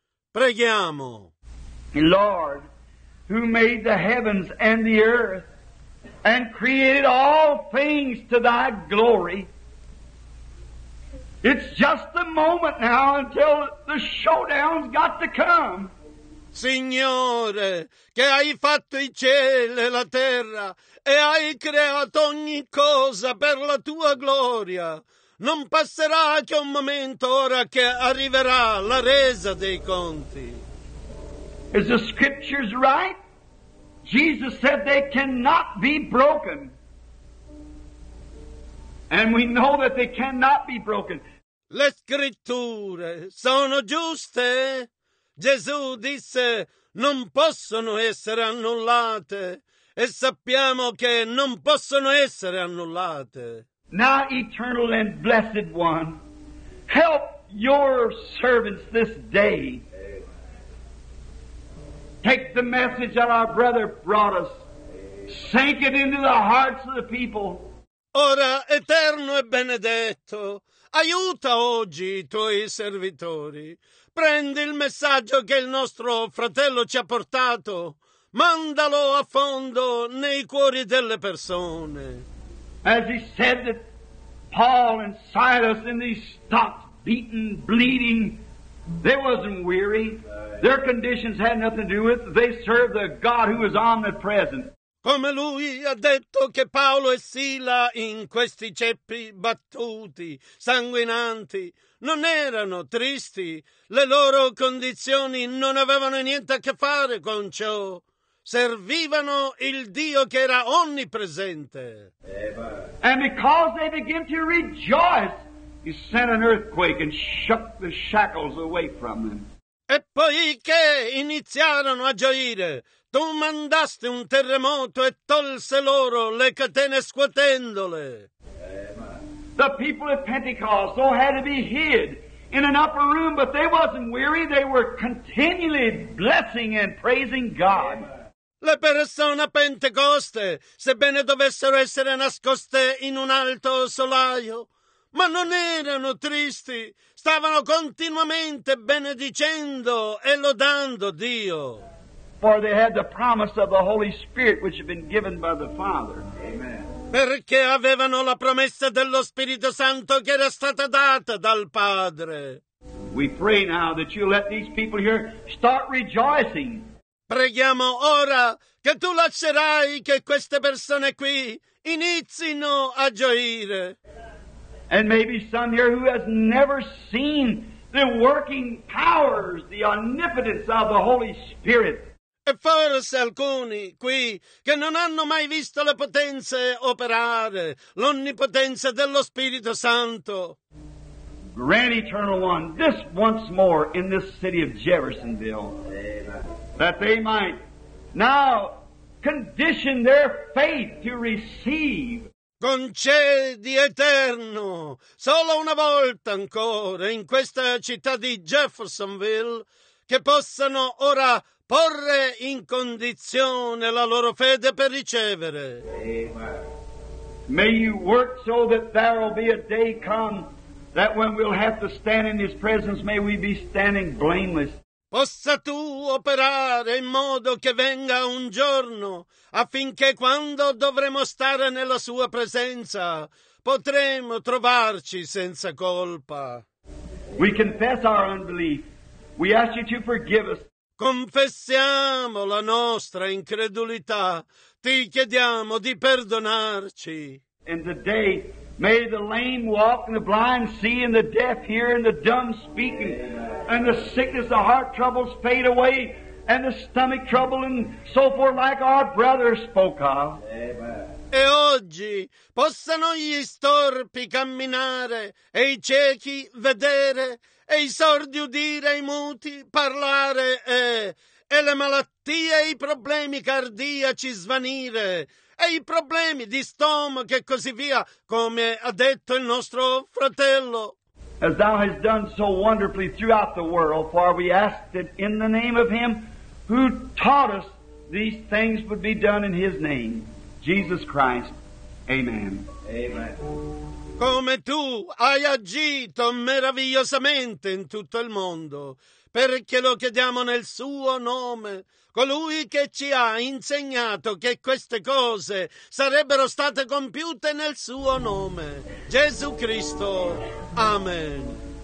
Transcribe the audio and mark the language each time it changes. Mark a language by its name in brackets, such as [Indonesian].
[Italian] Preghiamo. [English] Lord, who made the heavens and the earth and created all things to thy glory. It's just the moment now until the showdown's got to come. [Italian] Signore, che hai fatto i cieli e la terra e hai creato ogni cosa per la tua gloria, non passerà che un momento ora che arriverà la resa dei conti. [English] Is the scriptures right? Jesus said they cannot be broken. And we know that they cannot be broken. [Italian] Le scritture sono giuste? Gesù disse, non possono essere annullate, e sappiamo che non possono essere annullate. [English] Now, eternal and blessed one, help your servants this day. Take the message that our brother brought us, sink it into the hearts of the people. [Italian] Ora, eterno e benedetto, aiuta oggi i tuoi servitori. Prendi il messaggio che il nostro fratello ci ha portato, mandalo a fondo nei cuori delle persone. [English] As he said that Paul and Silas in these stocks, beaten, bleeding, they wasn't weary. Their conditions had nothing to do with it. They served the God who was omnipresent. [Italian] Come lui ha detto che Paolo e Sila in questi ceppi battuti, sanguinanti, non erano tristi, le loro condizioni non avevano niente a che fare con ciò. Servivano il Dio che era onnipresente. [English] And because they began to rejoice, he sent an earthquake and shook the shackles away from them. [Italian] E poiché iniziarono a gioire, tu mandaste un terremoto e tolse loro le catene scuotendole. [English] The people of Pentecost all had to be hid in an upper room, but they wasn't weary. They were continually blessing and praising God. [Italian] Le persone a Pentecoste, sebbene dovessero essere nascoste in un alto solaio, ma non erano tristi, stavano continuamente benedicendo e lodando Dio. [English] For they had the promise of the Holy Spirit which had been given by the Father. Amen. [Italian] Perché avevano la promessa dello Spirito Santo che era stata data dal Padre. [English] We pray now that you let these people here start rejoicing. [Italian] Preghiamo ora che tu lascerai che queste persone qui inizino a gioire. [English] And maybe some here who has never seen the working powers, the omnipotence of the Holy Spirit. [Italian] E forse alcuni qui che non hanno mai visto le potenze operare, l'onnipotenza dello Spirito Santo. [English] Grant, Eternal One, this once more in this city of Jeffersonville, that they might now condition their faith to receive. [Italian] Concedi, Eterno, solo una volta ancora in questa città di Jeffersonville, che possano ora porre in condizione la loro fede per ricevere. [English] May you work so that there will be a day come that when we'll have to stand in His presence, may we be standing blameless. [Italian] Possa tu operare in modo che venga un giorno affinché quando dovremo stare nella Sua presenza potremo trovarci senza colpa. [English] We confess our unbelief. We ask you to forgive us. [Italian] Confessiamo la nostra incredulità, ti chiediamo di perdonarci. [English] And today, may the lame walk, and the blind see, and the deaf hear, and the dumb speak, and the sickness, the heart troubles fade away, and the stomach trouble, and so forth, like our brother spoke of. Amen. [Italian] E oggi possano gli storpi camminare, e i ciechi vedere, e i sordi udire, i muti parlare, e le malattie e i problemi cardiaci svanire, e i problemi di stomaco e così via, come ha detto il nostro fratello. [English] As thou hast done so wonderfully throughout the world, for we asked it in the name of him who taught us these things would be done in his name, Jesus Christ. Amen. Amen. [Italian] Come tu hai agito meravigliosamente in tutto il mondo, perché lo chiediamo nel suo nome, colui che ci ha insegnato che queste cose sarebbero state compiute nel suo nome, Gesù Cristo. Amen.